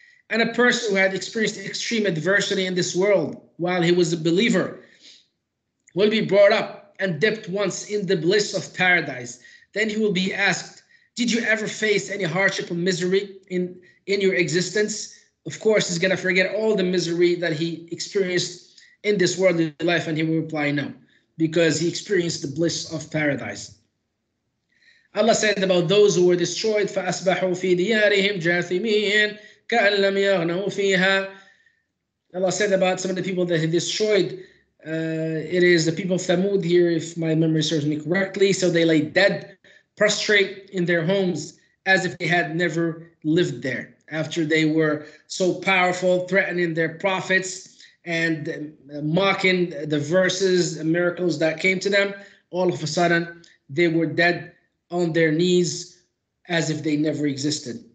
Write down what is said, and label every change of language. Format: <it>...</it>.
<en>And a person who had experienced extreme adversity in this world while he was a believer will be brought up and dipped once in the bliss of paradise. Then he will be asked, did you ever face any hardship or misery in your existence? Of course, he's going to forget all the misery that he experienced in this worldly life. And he will reply, no, because he experienced the bliss of paradise. Allah said about those who were destroyed,</en> <ar>فَأَسْبَحُوا فِي دِيَارِهِمْ جَاثِمِينَ كَأَنْ لَمْ يَغْنَوْا فِيهَا.</ar> <en>Allah said about some of the people that he destroyed, it is the people of Thamud here, if my memory serves me correctly. So they lay dead, prostrate in their homes as if they had never lived there. After they were so powerful, threatening their prophets and mocking the verses and miracles that came to them, all of a sudden they were dead on their knees as if they never existed.</en>